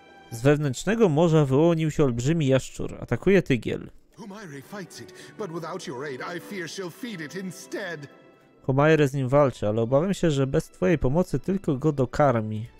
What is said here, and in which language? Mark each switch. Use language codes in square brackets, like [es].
[pl] Z wewnętrznego morza wyłonił się olbrzymi jaszczur. Atakuje tygiel. [en] Humaire fights it, but without your aid, I fear she'll feed it instead. [pl] Humaire z nim walczy, ale obawiam się, że bez twojej pomocy tylko go dokarmi.